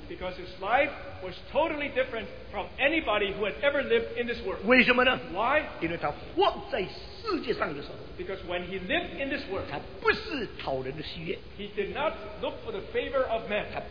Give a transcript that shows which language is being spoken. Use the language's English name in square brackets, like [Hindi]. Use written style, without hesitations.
[English] Because his life was totally different from anybody who had ever lived in this world. [Chinese] 为什么呢? [English] Why? [Chinese] 因为他活在世界上的人。 [English] Because when he lived in this world, he did not look for the favor of man.